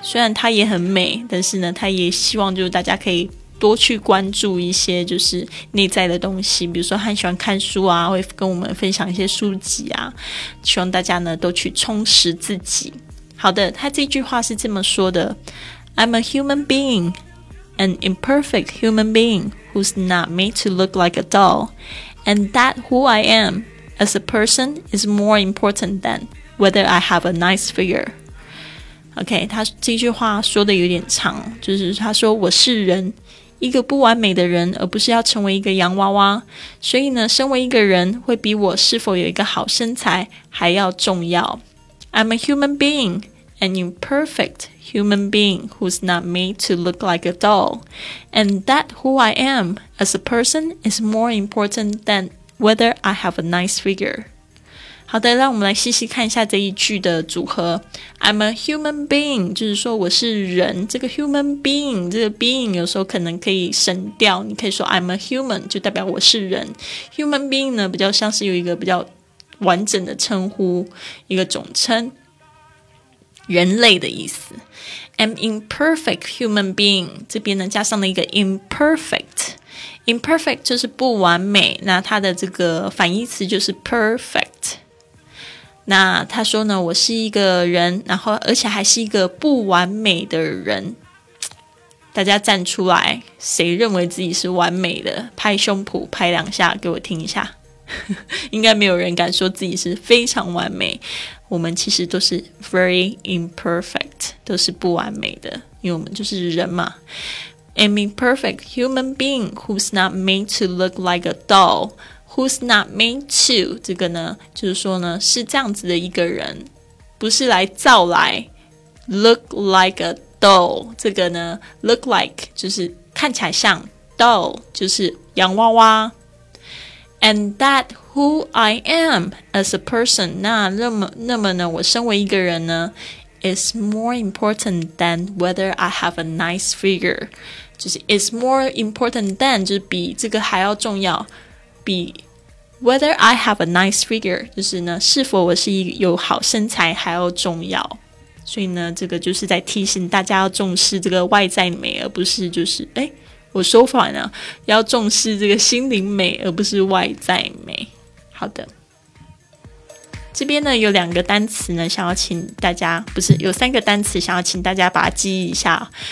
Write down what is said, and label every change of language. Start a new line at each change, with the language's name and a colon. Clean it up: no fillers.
Chinese: 虽然她也很美，但是呢，她也希望就是大家可以多去关注一些就是内在的东西，比如说她很喜欢看书啊，会跟我们分享一些书籍啊，希望大家呢都去充实自己。好的，她这句话是这么说的 ：
English: I'm a human being。 An imperfect human being who's not made to look like a doll, and that who I am as a person is more important than whether I have a nice figure.
Chinese: OK, 他这句话说的有点长，就是他说我是人，一个不完美的人，而不是要成为一个洋娃娃。所以呢，身为一个人会比我是否有一个好身材还要重要。
English: I'm a human being. An imperfect human being who's not made to look like a doll. And that who I am as a person is more important than whether I have a nice figure.
Chinese: 好的，让我们来细细看一下这一句的组合。
English: I'm a human being,
Chinese: 就是说我是人。这个 human being, 这个 being 有时候可能可以省掉。你可以说
English: I'm a human,
Chinese: 就代表我是人。Human being 呢，比较像是有一个比较完整的称呼，一个总称。人类的意思
English: An imperfect human being
Chinese: 这边呢加上了一个 imperfect imperfect 就是不完美，那它的这个反义词就是 perfect。那他说呢，我是一个人，然后而且还是一个不完美的人，大家站出来，谁认为自己是完美的，拍胸脯拍两下给我听一下应该没有人敢说自己是非常完美，我们其实都是
English: very imperfect,
Chinese: 都是不完美的，因为我们就是人嘛。
English: An imperfect human being who's not made to look like a doll, who's not made to,
Chinese: 这个呢就是说呢是这样子的一个人，不是来造来
English: look like a doll,
Chinese: 这个呢
English: look like
Chinese: 就是看起来像
English: doll
Chinese: 就是洋娃娃。
English: And that who I am as a person,
Chinese: 那么呢我身为一个人呢
English: is more important than whether I have a nice figure, 就是 is more important than,
Chinese: 就是比这个还要重要，比
English: whether I have a nice figure,
Chinese: 就是呢是否我是有好身材还要重要。所以呢这个就是在提醒大家要重视这个外在美，而不是就是诶我说反了，要重视这个心灵美而不是外在美。好的，这边呢有两个单词呢想要请大家，不是，有三个单词想要请大家把它记忆一下。